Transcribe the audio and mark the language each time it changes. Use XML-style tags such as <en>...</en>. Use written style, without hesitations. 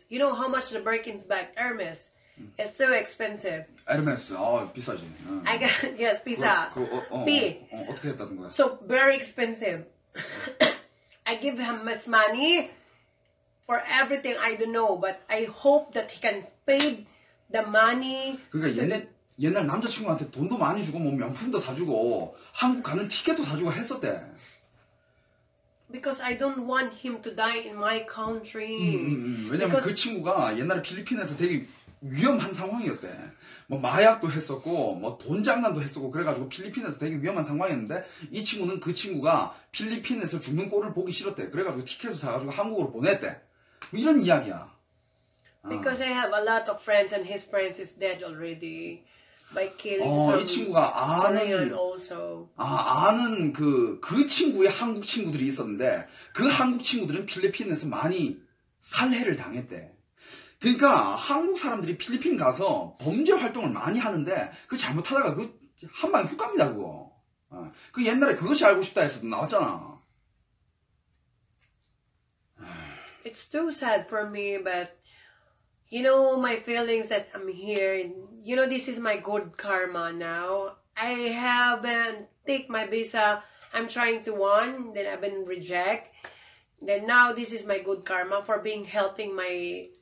<en>You know how much the Birkins bag, Hermes, is so expensive.</en> <ko>Hermes, 비싸지.</ko> <en>I got, yes,</en> <ko>비싸. B. 어떻게 했다는 거야?</ko> <en>So, very expensive. I give him his money for everything I don't know, but I hope that he can pay the money.</en> <ko>그러니까 옛날 남자친구한테 돈도 많이 주고, 뭐 명품도 사주고, 한국 가는 티켓도 사주고 했었대.</ko> <en>Because Because I don't want him to die in my country.</en> <ko>왜냐면 because... 그 친구가 옛날에 필리핀에서 되게 위험한 상황이었대. 뭐 마약도 했었고 뭐 돈 장난도 했었고 그래가지고 필리핀에서 되게 위험한 상황이었는데 이 친구는 그 친구가 필리핀에서 죽는 꼴을 보기 싫었대. 그래가지고 티켓을 사가지고 한국으로 보냈대. 뭐 이런 이야기야.</ko> <en>Because 아. I have a lot of friends and his friends is dead already. By killing</en> <ko>어,</ko> <en>some</en> <ko>이 친구가 아는</ko> <en>also.</en> <ko>아 아는 그 친구의 한국 친구들이 있었는데 그 한국 친구들은 필리핀에서 많이 살해를 당했대. 그러니까 한국 사람들이 필리핀 가서 범죄 활동을 많이 하는데 그 잘못하다가 그 한 방에 훅 갑니다 그거. 그 옛날에 그것이 알고 싶다 해서 나왔잖아.</ko> <en>It's too sad for me, but you know my feelings that I'm here. You know this is my good karma now. I have been take my visa. I'm trying to won, then I've been reject. Then now this is my good karma for being helping my.</en>